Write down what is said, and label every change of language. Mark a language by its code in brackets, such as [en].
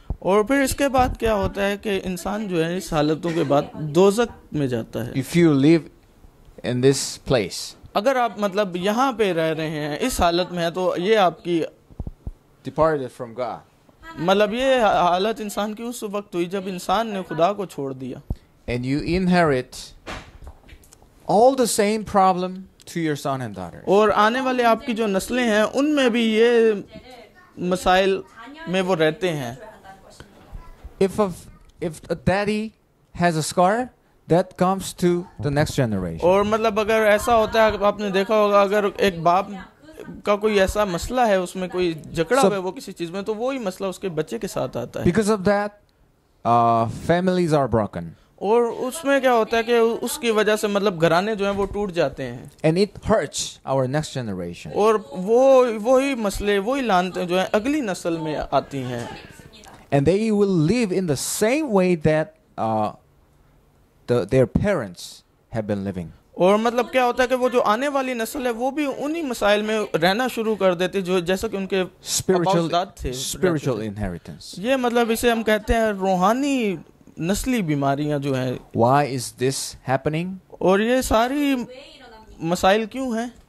[hi] और फिर इसके बाद क्या होता है कि इंसान जो है इस हालतों के बाद दोजख में जाता है. [en] If you live in this place. [hi] अगर आप मतलब यहाँ पे रह रहे हैं इस हालत में है तो ये आपकी [en] departed from God. [hi] मतलब ये हालत इंसान की उस वक्त हुई जब इंसान ने खुदा को छोड़ दिया. [en] And you inherit all the same problem to your son and daughters. [hi] और आने वाले आपकी जो नस्लें हैं उनमें भी ये मसाइल में वो रहते हैं. [en] If a daddy has a scar, that comes to the next generation. [hi] और मतलब अगर ऐसा होता है आपने देखा होगा अगर एक बाप का कोई ऐसा मसला है उसमें कोई जकड़ा है वो किसी चीज में तो वो ही मसला उसके बच्चे के साथ आता है. [en] Because of that, families are broken. [hi] और उसमें क्या होता है कि उसकी वजह से मतलब घराने जो हैं वो टूट जाते हैं. [en] And it hurts our next generation. [hi] और वो ही मसले वही लानते जो है अगली नस्ल में आती हैं. [en] And they will live in the same way that their parents have been living. [hi] और मतलब क्या होता है कि वो जो आने वाली नस्ल है वो भी उन्हीं मसाइल में रहना शुरू कर देते जो जैसा कि उनके [en] Spiritual थे. Spiritual inheritance. [hi] ये मतलब इसे हम कहते हैं रूहानी नस्ली बीमारियां जो हैं. [en] Why is this happening? [hi] और ये सारी मसाइल क्यों हैं?